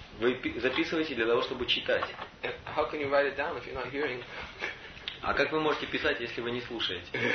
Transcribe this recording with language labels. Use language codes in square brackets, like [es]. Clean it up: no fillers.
[ru] Вы записываете для того, чтобы читать. [en] And how can you write it down if you're not hearing? [ru] А как вы можете писать, если вы не слушаете?